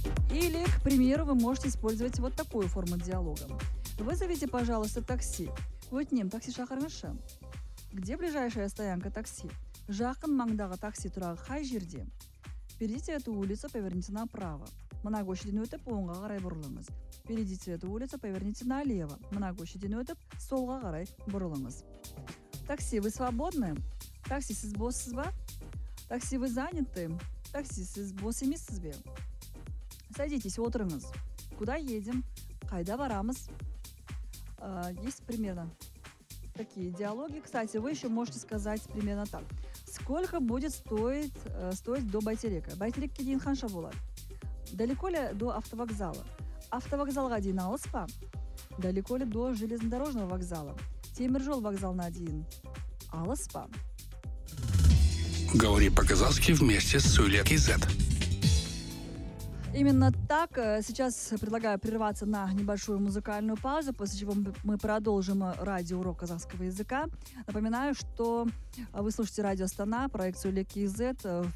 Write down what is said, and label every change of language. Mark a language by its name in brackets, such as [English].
[Russian] Или, к примеру, вы можете использовать вот такую форму диалога. Вызовите, пожалуйста, такси. Вот нем такси шахарнышы. Где ближайшая стоянка такси? [Kazakh] Жақын маңдағы такси тұрағы қай жерде? [Russian] Перейдите эту улицу, поверните направо. [Kazakh] Мына көшеден өтіп, оңға қарай бұрылыңыз. [Russian] Перейдите эту улицу, поверните налево. [Kazakh] Мына көшеден өтіп, солға қарай бұрылыңыз. [Russian] Такси, вы свободны? [Kazakh] Такси, сіз боссыз ба? [Russian] Такси, вы заняты? [Kazakh] Такси, сіз бос емессіз бе? [Russian] Садитесь, [Kazakh] отырыңыз. [Russian] Куда едем? [Kazakh] Қайда барамыз? [Russian] Есть примерно такие диалоги. Кстати, вы еще можете сказать примерно так. Сколько будет стоить до Байтерека? [Kazakh] Байтерекке дейін қанша болады? [Russian] Далеко ли до автовокзала? [Kazakh] Автовокзалға дейін алыс па? [Russian] Далеко ли до железнодорожного вокзала? [Kazakh] Теміржол вокзалына дейін алыс па? [Russian] Говори по-казахски вместе с Сулек.кз. Именно так. Сейчас предлагаю прерваться на небольшую музыкальную паузу, после чего мы продолжим радиоурок казахского языка. Напоминаю, что вы слушаете радио «Астана», проект «Сулек.кз».